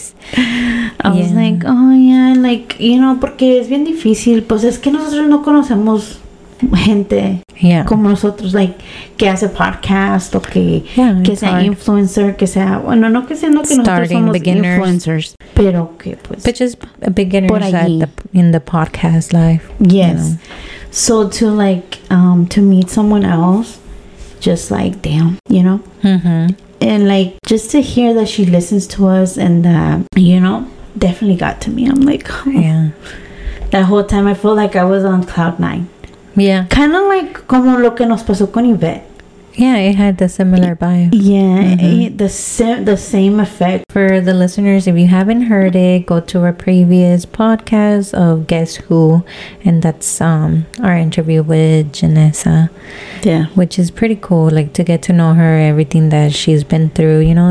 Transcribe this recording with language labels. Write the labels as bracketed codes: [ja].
[en] I was like, oh yeah, like, you know, [es] porque es bien difícil. Pues es que nosotros no conocemos gente como nosotros, like, que hace podcast o que, que sea influencer, que sea, bueno, no que sea, no que nosotros somos beginners. Influencers, pero que pues, [en] but just beginners at the, in the podcast life. Yes, you know. So to like, to meet someone else, just like, damn, you know. Mm-hmm. And like, just to hear that she listens to us and that, you know, definitely got to me. I'm like, oh. Yeah, that whole time I felt like I was on cloud nine. Yeah, kind of like [es] como lo que nos pasó con Yvette. [en] Yeah, it had the similar vibe. Yeah, mm-hmm. the same effect. For the listeners, if you haven't heard it, go to our previous podcast of Guess Who, and that's our interview with Janessa. Yeah, which is pretty cool, like, to get to know her, everything that she's been through, you know.